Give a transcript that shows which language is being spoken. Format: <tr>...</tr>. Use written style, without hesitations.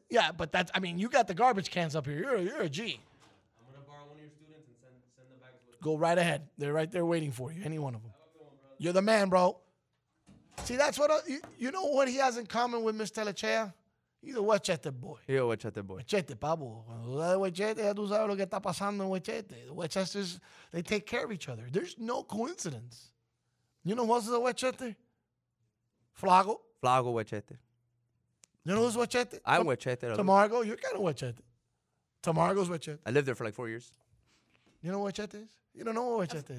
<en>Yeah, but that's, I mean, you got the garbage cans up here. You're a G. Go right ahead. They're right there waiting for you, any one of them. You're the man, bro. See, that's what you know what he has in common with Miss Telechea? He's a Huachete boy. He's a Huachete boy. Huachete, Pablo.</en> <es>Cuando tú sabes de Huachete, ya tú sabes lo que está pasando en Huachete.</es> <en>The Huachetes, they take care of each other. There's no coincidence. You know who else is a Huachete? Flago. Flago Huachete. You know who's Huachete? I'm Huachete. Tamargo, you're kind of Huachete. Tamargo's Huachete. I lived there for like 4 years. You know Huachete is? You don't know Huachete is.</en>